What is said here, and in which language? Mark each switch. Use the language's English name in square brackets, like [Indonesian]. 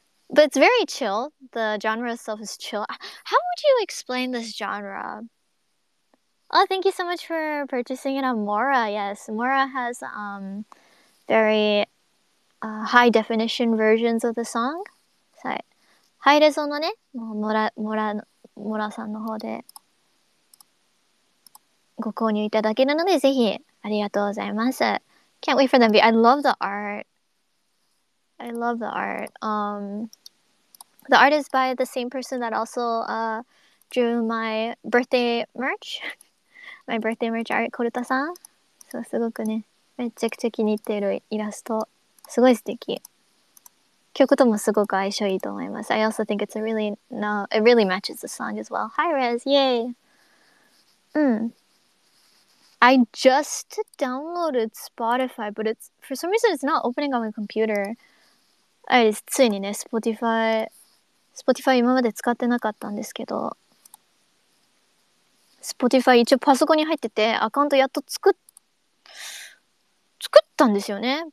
[English] But it's very chill. The genre itself is chill. How would you explain this genre? Oh, thank you so much for purchasing it on Mora. Yes, Mora has very high definition versions of the song. [Japanese] はい、ハイレゾのね、もうモラモラモラさんの方でご購入いただけるので、ぜひありがとうございます。 [English] Can't wait for them. I love the art. I love the art. The art is by the same person that also drew my birthday merch. My birthday merch art, Koruta san. [Japanese] So, すごくね、めちゃくちゃ気に入ってるイラスト。すごい素敵。曲ともすごく相性いいと思います。 [English] I also think it's a really, no, it really matches the song as well. Hi, Rez. Yay. I just downloaded Spotify, but it's, for some reason, it's not opening on my computer. [Japanese] ついにね、Spotify 今まで使ってなかったんですけど、Spotify 一応パソコンに入ってて、アカウントやっと作ったんですよね。